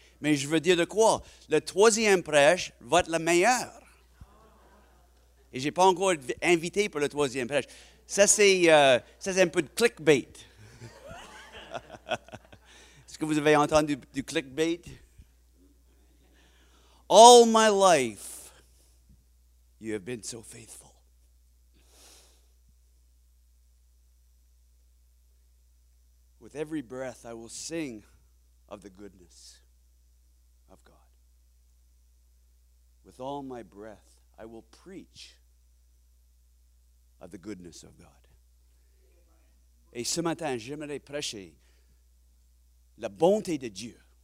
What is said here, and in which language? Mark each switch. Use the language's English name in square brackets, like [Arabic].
[French] Mais je veux dire de quoi? Le troisième prêche va être le meilleur. Et je n'ai pas encore été invité pour le troisième prêche. Ça, c'est un peu de clickbait. Est-ce que vous avez entendu du clickbait? [English] All my life, you have been so faithful. With every breath, I will sing of the goodness of God. With all my breath, I will preach of the goodness of God. [French] Et ce matin, j'aimerais prêcher la bonté de Dieu.